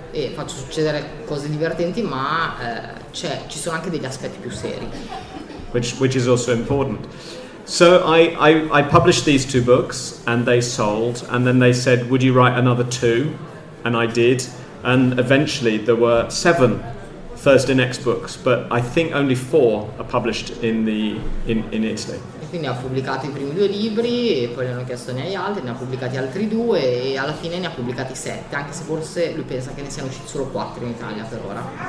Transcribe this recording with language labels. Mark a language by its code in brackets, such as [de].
[it] E faccio succedere cose divertenti, ma ci sono anche degli aspetti più seri. [en] Which is also important. So I published these two books and they sold, and then they said, would you write another two? And I did, and eventually there were seven Thursday Next books, but I think only four are published in Italy. [it] E quindi ha pubblicato i primi due libri e poi ne hanno chiesto ne hai altri, ne ha pubblicati altri due e alla fine ne ha pubblicati sette, anche se forse lui pensa che ne siano usciti solo quattro in Italia per ora.